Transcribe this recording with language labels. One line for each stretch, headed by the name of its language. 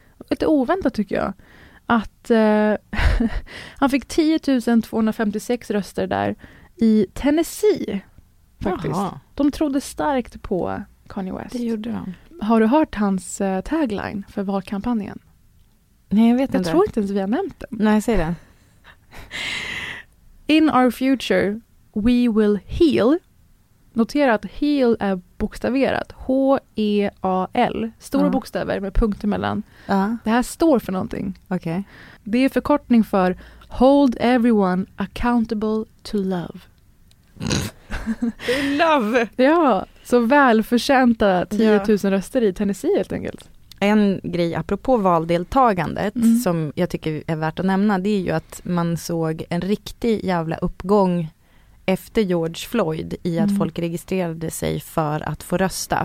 Swedish: Lite oväntat tycker jag. Att han fick 10 256 röster där i Tennessee. Faktiskt. Jaha. De trodde starkt på Kanye West. Det gjorde de. Har du hört hans tagline för valkampanjen? Nej, jag vet inte. Jag tror inte ens vi har nämnt den. Nej, säg det.
English: In our future, we will heal.
Swedish: Notera att heal är bokstaverat. H-E-A-L. Stora bokstäver med punkter mellan. Uh-huh. Det här står för någonting. Okay. Det är förkortning för
English: Hold everyone accountable to love. Love!
Swedish: Ja, så välförtjänta 10 000 röster i Tennessee helt enkelt. En grej apropå valdeltagandet som jag tycker är värt att nämna, det är ju att man såg en riktig jävla uppgång efter George Floyd i att folk registrerade sig för att få rösta.